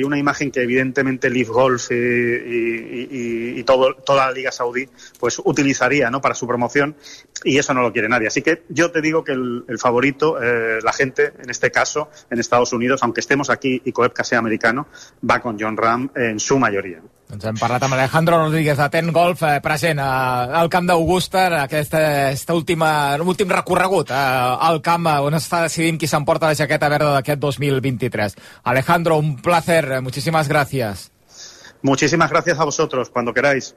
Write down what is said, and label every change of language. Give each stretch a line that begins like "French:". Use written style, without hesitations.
Spanish: Sería una imagen que evidentemente Live Golf y toda la Liga Saudí pues utilizaría, ¿no?, para su promoción, y eso no lo quiere nadie. Así que yo te digo que el favorito, la gente, en este caso, en Estados Unidos, aunque estemos aquí y Koepka sea americano, va con John Ram en su mayoría.
Catalan: Doncs hem parlat amb Alejandro Rodríguez de Ten Golf, present al camp d'Augusta, en últim recorregut al camp on està decidint qui s'emporta la jaqueta verda d'aquest 2023. Alejandro,
Spanish: un placer,
Catalan: moltíssimes gràcies.
Spanish: Muchísimas gracias a vosotros, cuando queráis.